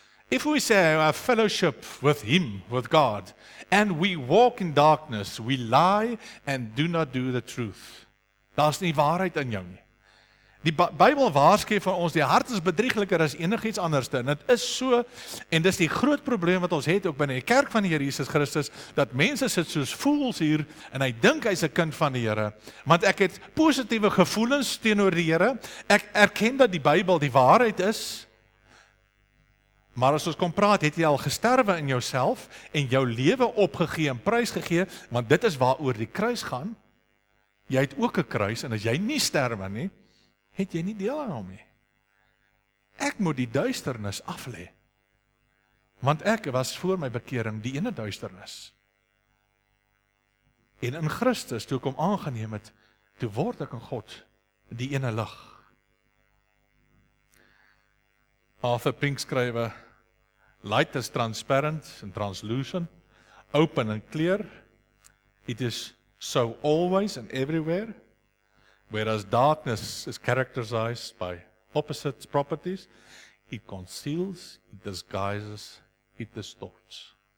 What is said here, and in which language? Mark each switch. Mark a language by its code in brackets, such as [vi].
[en] If we say our fellowship with him, with God, and we walk in darkness, we lie and do not do the truth. [af] Daar is nie waarheid in jou nie. Die Bybel waarsku vir ons, die hart is bedriegliker as enigiets anders. En dit is so, en dit is die groot probleem wat ons het ook binne die kerk van die Here Jesus Christus, dat mense sit soos fools hier, en hy dink hy is 'n kind van die Here. Want ek het positiewe gevoelens teenoor die Here, ek erken dat die Bybel die waarheid is, maar as ons kom praat, het jy al gesterwe in jouself en jou lewe opgegee en prys gegee, want dit is waaroor die kruis gaan, jy het ook 'n kruis, en as jy nie sterwe nie, het jy nie deel aan hom nie. Ek moet die duisternis aflê, want ek was voor my bekering die ene duisternis. En in Christus, toe ek hom aangeneem het, toe word ek in God die ene lig. [en] Arthur Pink skrywe, light is transparent and translucent, open and clear, it is so always and everywhere, whereas darkness is characterized by opposite properties, it conceals, it disguises, it distorts.